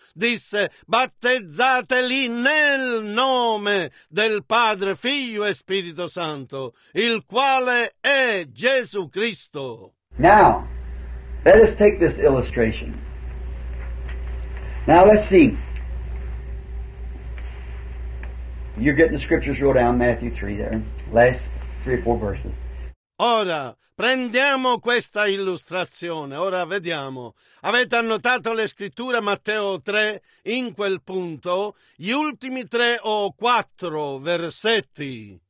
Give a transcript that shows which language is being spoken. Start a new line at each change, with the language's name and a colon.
Italian: Disse battezzateli nel nome del Padre, Figlio e Spirito Santo, il quale è Gesù Cristo.
English: Now, let us take this illustration. Now let's see. You're getting the scriptures wrote down, Matthew 3 there, last three or four verses.
Italian: Ora, prendiamo questa illustrazione, ora vediamo. Avete annotato le scritture Matteo 3 in quel punto, gli ultimi tre o quattro versetti.